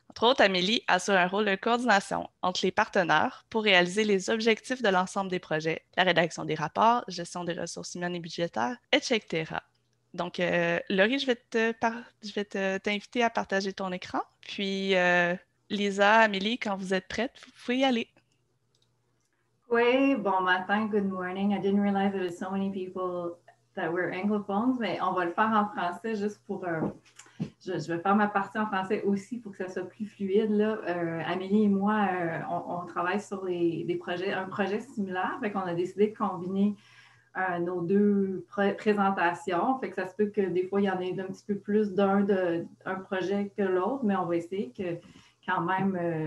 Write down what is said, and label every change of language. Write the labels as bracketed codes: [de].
[fr] Entre autres, Amélie assure un rôle de coordination entre les partenaires pour réaliser les objectifs de l'ensemble des projets, la rédaction des rapports, gestion des ressources humaines et budgétaires, etc. Donc, Laurie, je vais t'inviter à partager ton écran. Puis, Lisa, Amélie, quand vous êtes prêtes, vous pouvez y aller. Oui, bon matin, [en] good morning. I didn't realize there were so many people that were anglophones, [fr] mais on va le faire en français juste pour. Je vais faire ma partie en français aussi pour que ça soit plus fluide, là. Amélie et moi, on travaille sur des projets, un projet similaire. Fait qu'on a décidé de combiner nos deux présentations. Fait que ça se peut que des fois, il y en ait un petit peu plus d'un projet que l'autre, mais on va essayer que quand même.